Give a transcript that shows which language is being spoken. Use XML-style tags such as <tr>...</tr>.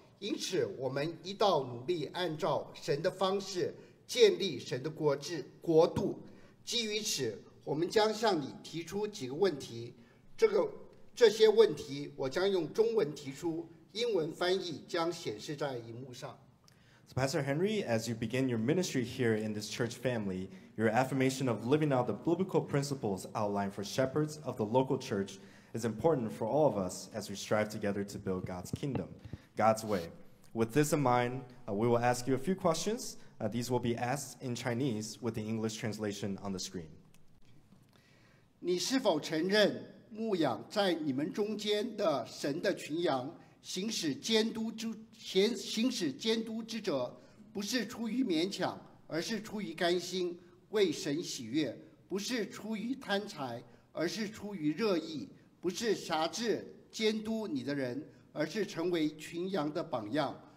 <zh>因此，我们一道努力按照神的方式建立神的国度。基于此，我们将向你提出几个问题。这些问题我将用中文提出，英文翻译将显示在荧幕上。</zh> <en>So Pastor Henry, as you begin your ministry here in this church family, your affirmation of living out the biblical principles outlined for shepherds of the local church is important for all of us as we strive together to build God's kingdom, God's way. With this in mind, we will ask you a few questions. These will be asked in Chinese with the English translation on the screen.</en> <zh>你是否承认牧养在你们中间的神的群羊，行使监督之责，不是出于勉强，而是出于甘心，为神喜悦；不是出于贪财，而是出于热意；不是辖制监督你的人，而是成为群羊的榜样。</zh>